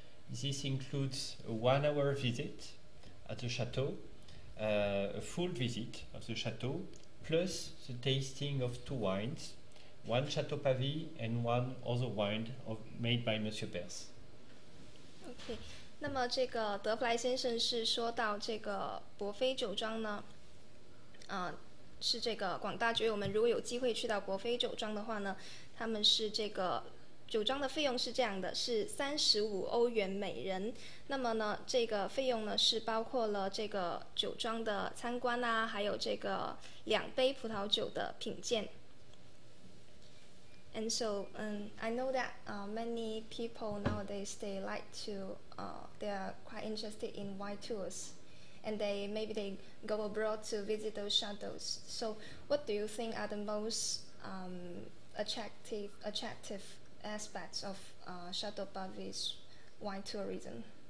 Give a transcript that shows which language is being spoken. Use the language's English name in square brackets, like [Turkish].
[English] This includes a 1 hour visit at the chateau, a full visit of the chateau, plus the tasting of two wines, one Chateau Pavie and one other wine of, made by Monsieur Perse. Okay. [Chinese] 那么这个德弗莱先生是说到这个伯菲酒庄呢，是这个广大酒友们如果有机会去到伯菲酒庄的话呢，他们是这个酒庄的费用是这样的，是35欧元每人。那么呢，这个费用呢是包括了这个酒庄的参观啊，还有这个两杯葡萄酒的品鉴。 [English] And so, I know that many people nowadays they like to, they are quite interested in wine tours, and maybe they go abroad to visit those chateaus. So, what do you think are the most attractive aspects of Chateau Pavie's wine tourism?